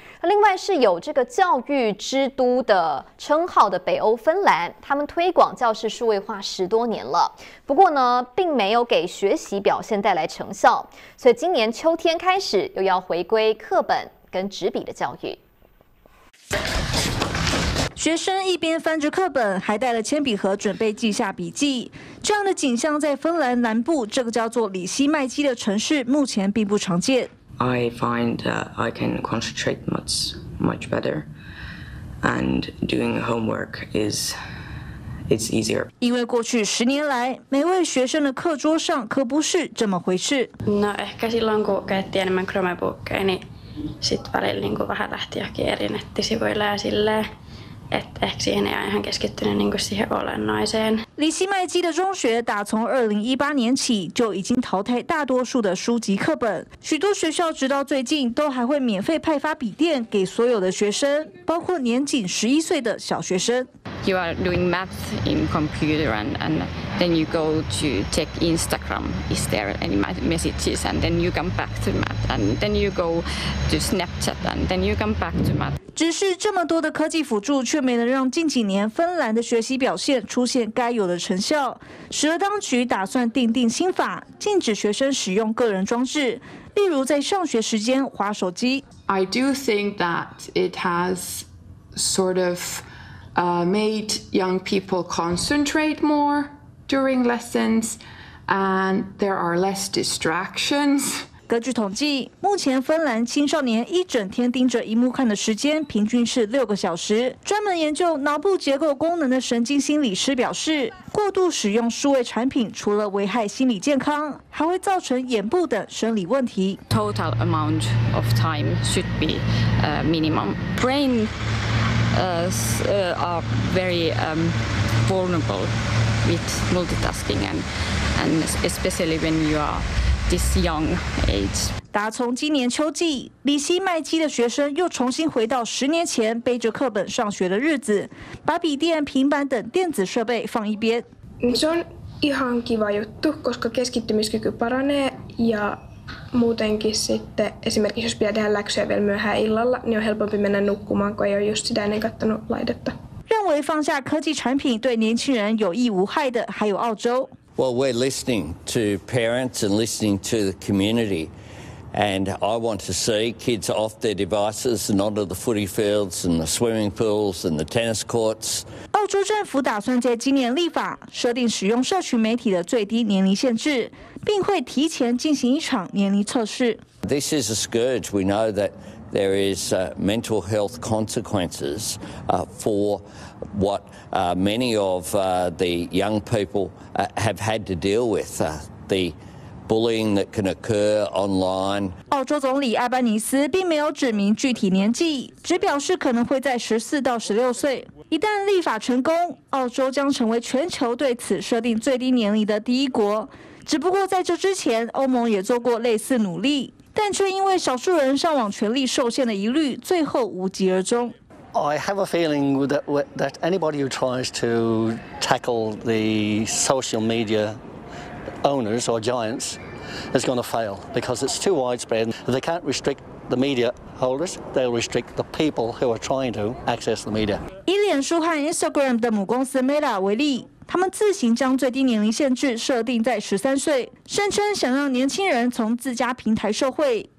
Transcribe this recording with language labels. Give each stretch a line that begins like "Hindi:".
Chinese: 另外是有这个教育之都的称号的北欧芬兰，他们推广教室数位化10多年了，不过呢并没有给学习表现带来成效，所以今年秋天开始又要回归课本跟纸笔的教育。学生一边翻着课本，还带了铅笔盒准备记下笔记。这样的景象在芬兰南部这个叫做里希麦基的城市目前并不常见。
English: I find that I can concentrate much, much better, and doing homework is. It's easier.
Chinese: 因为过去10年来，每位学生的课桌上可不是这么回事。
Finnish: No, ehkä silloin kun käytti enemmän Chromebookia, niin sit välillä niin kuin vähän lähti johonkin eri nettisivuille ja silleen. Ehkä siihen ei ole ihan keskittynyt niin kuin siihen olennaiseen.
Chinese: 里希麦基的中学打从2018年起就已经淘汰大多数的书籍课本，许多学校直到最近都还会免费派发笔电给所有的学生，包括年仅11岁的小学生。
English: You are doing math in computer and then you go to check Instagram. Is there any messages? And then you come back to math. And then you go to Snapchat. And then you come back to math.
Chinese: 只是这么多的科技辅助，却没能让近几年芬兰的学习表现出现该有的成效，使得当局打算订新法，禁止学生使用个人装置，例如在上学时间滑手机。
English: I do think that it has sort of made young people concentrate more during lessons, and there are less distractions.
Chinese: 根据统计，目前芬兰青少年一整天盯着荧幕看的时间平均是6个小时。专门研究脑部结构功能的神经心理师表示，过度使用数位产品除了危害心理健康，还会造成眼部等生理问题。
English: Total amount of time should be minimum. Brain are very vulnerable with multitasking and especially when you are. This young age.
Chinese: 打从今年秋季，里希麦基的学生又重新回到10年前背着课本上学的日子，把笔电、平板等电子设备放一边。
Finnish: Se on ihan kiva juttu, koska keskittymiskyky paranee ja muutenkin sitten esimerkiksi jos pitää tehdä läksyjä vielä myöhään illalla, niin on helpompi mennä nukkumaan, kun ei ole just sitä ennen kattanut laitetta.
Chinese: 认为放下科技产品对年轻人有益无害的还有澳洲。
English: Well, we're listening to parents and listening to the community. And I want to see kids off their devices and onto the footy fields and the swimming pools and the tennis courts.
Chinese: 澳洲政府打算在今年立法，设定使用社群媒体的最低年龄限制，并会提前进行一场年龄测试。
English: This is a scourge. We know that there is mental health consequences for what many of the young people have had to deal with, the bullying that can occur online.
Chinese: 澳洲总理阿班尼斯并没有指明具体年纪，只表示可能会在14到16岁。一旦立法成功，澳洲将成为全球对此设定最低年龄的第一国。只不过在这之前，欧盟也做过类似努力，但却因为少数人上网权利受限的疑虑，最后无疾而终。
English: I have a feeling that anybody who tries to tackle the social media owners or giants is going to fail because it's too widespread. If they can't restrict the media holders, they'll restrict the people who are trying to access the media.
Chinese: 以脸书和 Instagram 的母公司 Meta 为例。他们自行将最低年龄限制设定在13岁，声称想让年轻人从自家平台受惠。